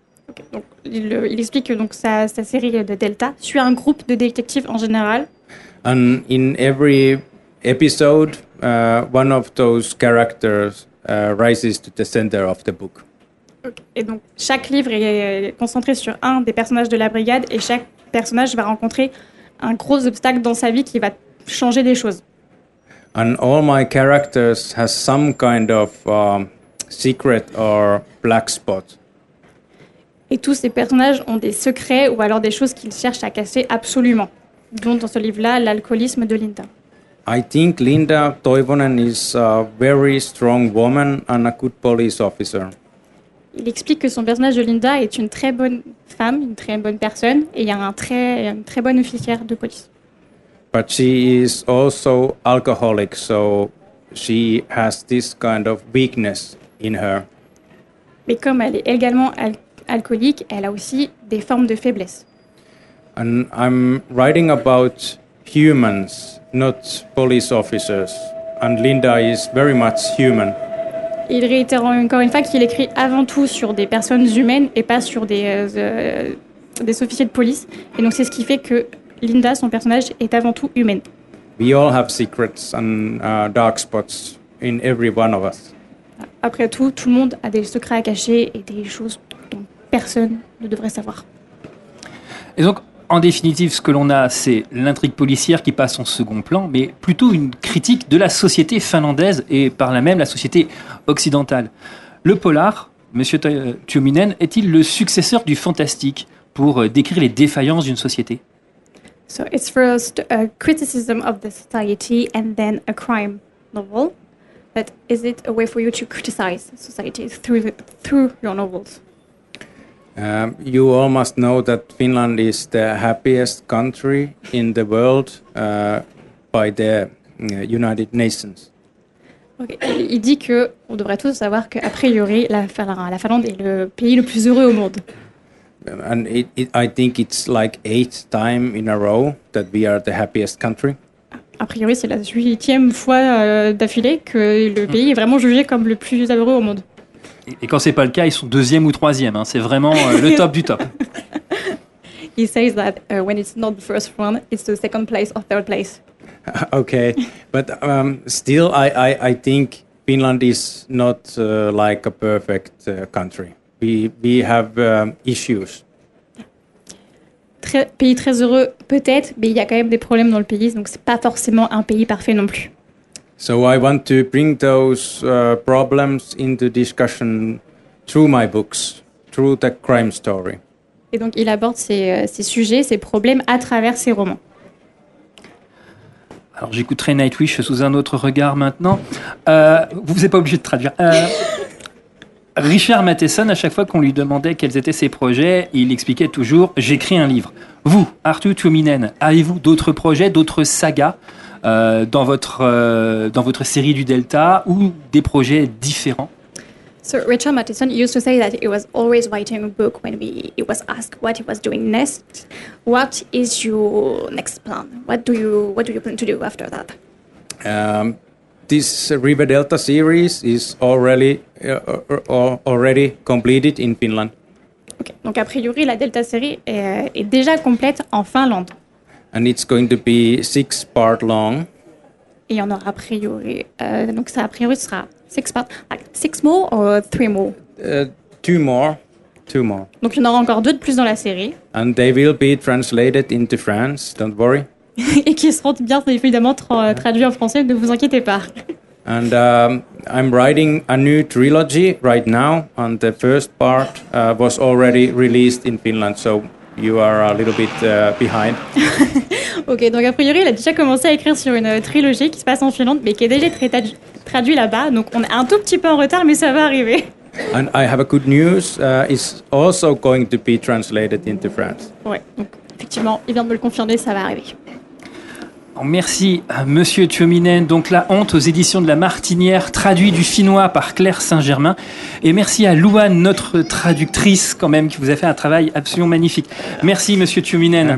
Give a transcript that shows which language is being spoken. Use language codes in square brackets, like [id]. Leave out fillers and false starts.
[fr] Okay, donc il explique que donc sa série de Delta suit un groupe de détectives en général. [en] And in every episode, one of those characters rises to the center of the book. [fr] Okay, et donc chaque livre est concentré sur un des personnages de la brigade et chaque personnage va rencontrer un gros obstacle dans sa vie qui va changer des choses. [en] And all my characters has some kind of secret or black spot. [fr] Et tous ces personnages ont des secrets ou alors des choses qu'ils cherchent à cacher absolument, dont dans ce livre-là, l'alcoolisme de Linda. [en] I think Linda Toivonen is a very strong woman and a good police officer. [fr] Il explique que son personnage de Linda est une très bonne femme, une très bonne personne, et il y a une très bonne officière de police. [en] But she is also alcoholic, so she has this kind of weakness in her. [fr] Mais comme elle est également alcoolique, elle a aussi des formes de faiblesse. [en] And I'm writing about humans, not police officers. And Linda is very much human. [fr] Il réitère encore une fois qu'il écrit avant tout sur des personnes humaines et pas sur des officiers de police. Et donc c'est ce qui fait que Linda, son personnage, est avant tout humaine. [en] We all have secrets and dark spots in every one of us. [fr] Après tout, tout le monde a des secrets à cacher et des choses dont personne ne devrait savoir. Et donc, en définitive, ce que l'on a, c'est l'intrigue policière qui passe en second plan, mais plutôt une critique de la société finlandaise et par là même la société occidentale. Le polar, Monsieur Tuominen, est-il le successeur du fantastique pour décrire les défaillances d'une société? [en] So it's first a criticism of the society and then a crime novel. But is it a way for you to criticize society through your novels? You all must know that Finland is the happiest country in the world by the United Nations. Okay. [fr] Il dit que on devrait tous savoir que a priori la Finlande est le pays le plus heureux au monde. [en] And I think it's like 8th time in a row that we are the happiest country. [fr] A priori, c'est la 8e fois d'affilée que le pays est vraiment jugé comme le plus heureux au monde. Et quand c'est pas le cas, ils sont 2e ou 3e. Hein. C'est vraiment le top du top. [en] He says that when it's not the first one, it's the second place or third place. Okay, but still, I think Finland is not like a perfect country. We have issues. [fr] Pays très heureux, peut-être, mais il y a quand même des problèmes dans le pays, donc c'est pas forcément un pays parfait non plus. [en] So I want to bring those problems into discussion through my books, through the crime story. [fr] Et donc il aborde ces sujets, ces problèmes à travers ses romans. Alors j'écouterai Nightwish sous un autre regard maintenant. Vous êtes pas obligé de traduire. Richard Matheson, à chaque fois qu'on lui demandait quels étaient ses projets, il expliquait toujours « J'écris un livre ». Vous, Arthur Tuominen, avez-vous d'autres projets, d'autres sagas dans votre série du Delta ou des projets différents? [en] So Richard Matheson used to say that he was always writing a book when he was asked what he was doing next. What is your next plan? What do you plan to do after that? This River Delta series is already completed in Finland. Okay. [fr] Donc a priori la Delta série est déjà complète en Finlande. [en] And it's going to be 6 part long. [fr] Et il y en aura a priori donc ça a priori sera [en] Six more or three more? Two more. [fr] Donc il y en aura encore deux de plus dans la série. [en] And they will be translated into France, don't worry. [fr] Et qui seront bien évidemment traduits en français, ne vous inquiétez pas. [en] And I'm writing a new trilogy right now, and the first part was already released in Finland, so you are a little bit behind. [fr] Ok, donc a priori, il a déjà commencé à écrire sur une trilogie qui se passe en Finlande, mais qui est déjà traduit là-bas, donc on est un tout petit peu en retard, mais ça va arriver. [en] And I have a good news, it's also going to be translated into France. [fr] Ouais, donc effectivement, il vient de me le confirmer, ça va arriver. Merci, Monsieur Tuominen. Donc, La Honte aux éditions de La Martinière, traduit du finnois par Claire Saint-Germain. Et merci à Louane, notre traductrice, quand même, qui vous a fait un travail absolument magnifique. Merci, Monsieur Tuominen.